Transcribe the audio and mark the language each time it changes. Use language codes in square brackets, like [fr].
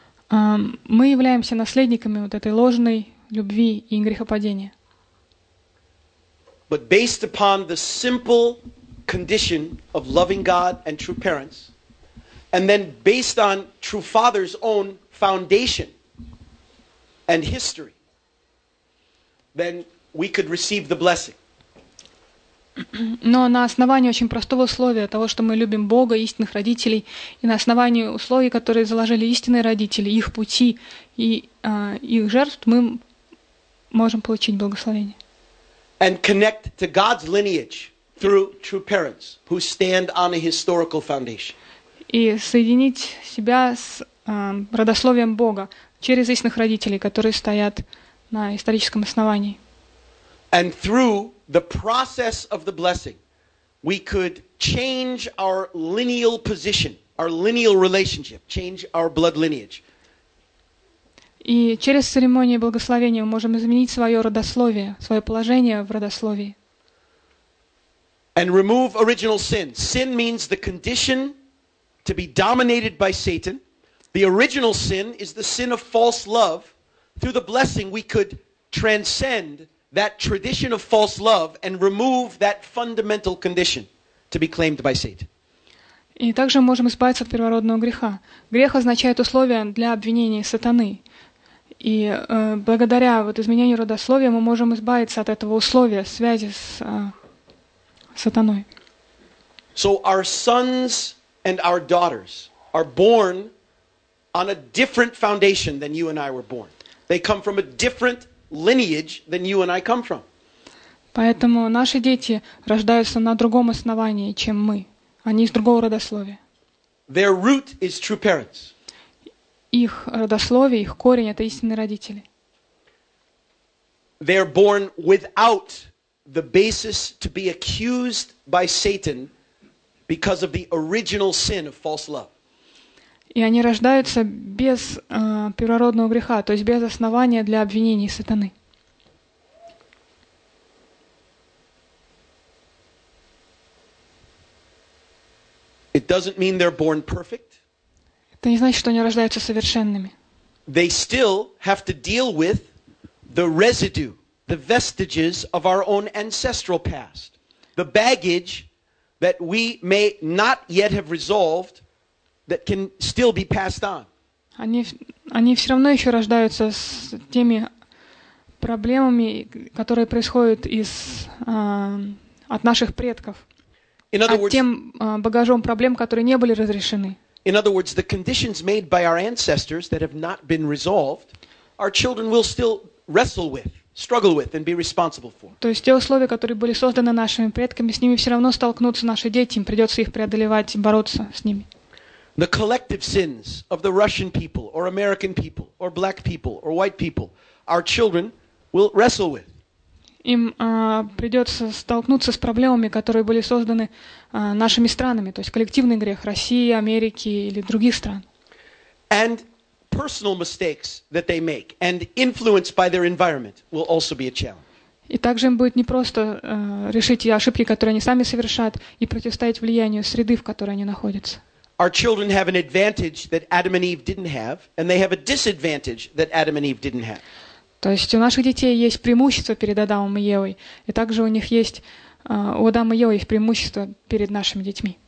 [ru] Мы являемся наследниками вот этой ложной любви и грехопадения. [en] But based upon the simple condition of loving God and true parents, and then based on true father's own foundation and history, then we could receive the blessing. [ru] Но на основании очень простого условия того, что мы любим Бога, истинных родителей, и на основании условий, которые заложили истинные родители, их пути и их жертв, мы можем получить благословение. [en] And connect to God's lineage through true parents who stand on a historical foundation. [ru] И соединить себя с родословием Бога через истинных родителей, которые стоят на историческом основании. [en] And through the process of the blessing, we could change our lineal position, our lineal relationship, change our blood lineage. [ru] И через церемонию благословения мы можем изменить свое родословие, свое положение в родословии. [en] And remove original sin. Sin means the condition to be dominated by Satan. The original sin is the sin of false love. Through the blessing, we could transcend that tradition of false love and remove that fundamental condition to be claimed by Satan. [ru] И также мы можем избавиться от первородного греха. Грех означает условие для обвинения сатаны. И благодаря вот изменению родословия мы можем избавиться от этого условия связи с сатаной. [en] So our sons and our daughters are born on a different foundation than you and I were born. They come from a different lineage than you and I come from. [ru] Поэтому наши дети рождаются на другом основании, чем мы. Они из другого родословия. [en] Their root is true parents. [ru] Их родословие, их корень — это истинные родители. [en] They're born without the basis to be accused by Satan because of the original sin of false love. [ru] И они рождаются без первородного греха, то есть без основания для обвинений сатаны. [en] It doesn't mean they're born perfect. [ru] Это не значит, что они рождаются совершенными. [en] They still have to deal with the residue, the vestiges of our own ancestral past, the baggage that we may not yet have resolved, that can still be passed on. [ru] Они все равно еще рождаются с теми проблемами, которые происходят из от наших предков, тем багажом проблем, которые не были разрешены. [en] In other words, the conditions made by our ancestors that have not been resolved, our children will still wrestle with, struggle with, and be responsible for. [ru] То есть те условия, которые были созданы нашими предками, с ними все равно столкнутся наши дети, им придется их преодолевать, бороться с ними. [en] The collective sins of the Russian people, or American people, or black people, or white people, our children will wrestle with. [ru] Им придется столкнуться с проблемами, которые были созданы нашими странами, то есть коллективный грех России, Америки или других стран. [en] And personal mistakes that they make, and influenced by their environment, will also be a challenge. [ru] И также им будет непросто решить ошибки, которые они сами совершают, и противостоять влиянию среды, в которой они находятся. [en] Our children have an advantage that Adam and Eve didn't have, and they have a disadvantage that Adam and Eve didn't have. [ru] То есть у наших детей есть преимущество перед Адамом и Евой, и также у них есть у Адама и Евы есть преимущество перед нашими детьми.